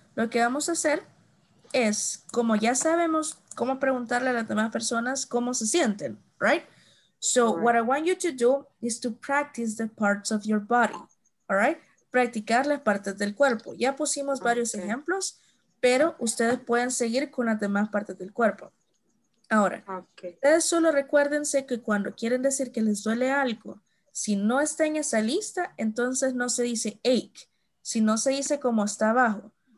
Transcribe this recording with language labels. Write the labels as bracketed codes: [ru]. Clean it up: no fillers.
[es] Lo que vamos a hacer es, como ya sabemos cómo preguntarle a las demás personas cómo se sienten, right? [en] So what I want you to do is to practice the parts of your body, all right? [es] Practicar las partes del cuerpo. Ya pusimos varios ejemplos, pero ustedes pueden seguir con las demás partes del cuerpo. Ahora, ustedes solo recuérdense que cuando quieren decir que les duele algo, si no está en esa lista, entonces no se dice ache, sino se dice como está abajo.